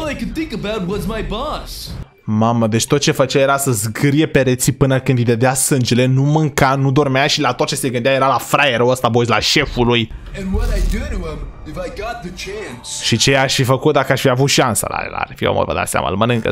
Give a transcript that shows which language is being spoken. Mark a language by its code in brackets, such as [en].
[en] All I could think about was my boss. [ro] Mamă, deci tot ce făcea era să zgârie pereții până când îi dădea sângele, nu mânca, nu dormea și la tot ce se gândea era la fraierul ăsta, boys, la șeful lui. [en] And what I'd do to him if I got the chance. [ro] Și ce i-aș fi făcut dacă aș fi avut șansa la el, ar fi omor, vă dați seama, îl mănâncă.